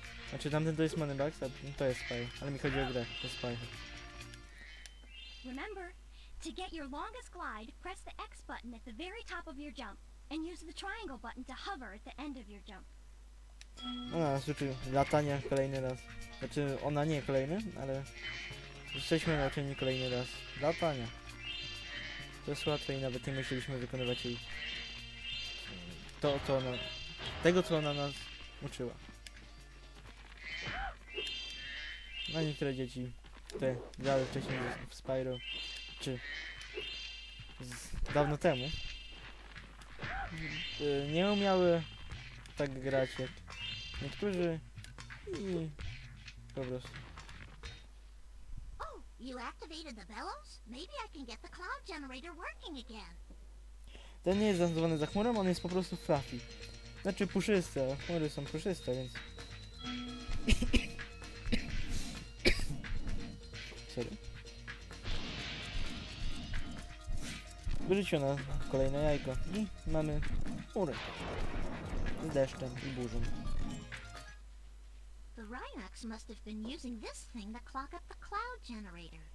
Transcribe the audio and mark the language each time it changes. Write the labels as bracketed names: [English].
[Polish] Znaczy tamten to jest Moneybox, a to jest Spy, ale mi chodzi o grę, to jest Spy. [English] Remember, to get your longest glide, press the X button at the very top of your jump and use the triangle button to hover at the end of your jump. [Polish] Ona nas uczy latania kolejny raz. Znaczy ona nie kolejny, ale jesteśmy nauczeni kolejny raz. Latania. To jest łatwe i nawet nie musieliśmy wykonywać jej to, co ona. Tego co ona nas uczyła. No niektóre dzieci, te grały wcześniej w Spyro, czy z dawno temu, nie umiały tak grać jak niektórzy i po prostu. [English] Oh, you activated the bellows? Maybe I can get the cloud generator working again. [Polish] Ten nie jest nazywany za chmurą, on jest po prostu fluffy. Znaczy puszyste, a chmury są puszyste, więc... Wyrzucił na kolejne jajko i mamy chmury z deszczem i burzą. The Rhinox [English] Brooks must have been using this thing to clock up the cloud generator.